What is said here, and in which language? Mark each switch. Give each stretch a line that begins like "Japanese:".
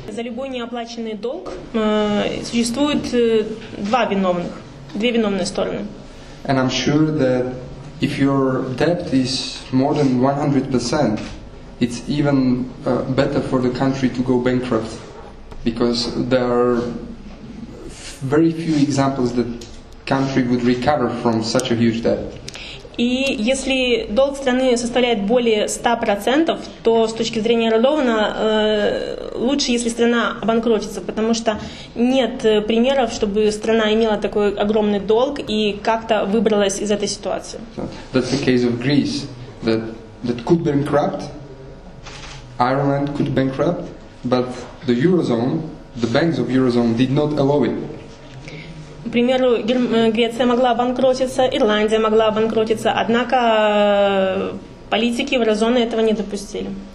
Russian: За любой неоплаченный долг существует два виновных, две виновные стороны.
English: And I'm sure that if your debt is more than 100%, it's even better for the country to go bankrupt, because there are very few examples that country would recover from such a huge debt.
Russian: И если долг страны составляет более 100%, то с точки зрения Радована лучше, если страна обанкротится, потому что нет примеров, чтобы страна имела такой огромный долг и как-то выбралась из этой ситуации.
English: That's the case of Greece, that could bankrupt, Ireland could bankrupt, but the Eurozone, the banks of Eurozone did not allow it.
Russian: К примеру, Греция могла обанкротиться, Ирландия могла обанкротиться, однако политики еврозоны этого не допустили.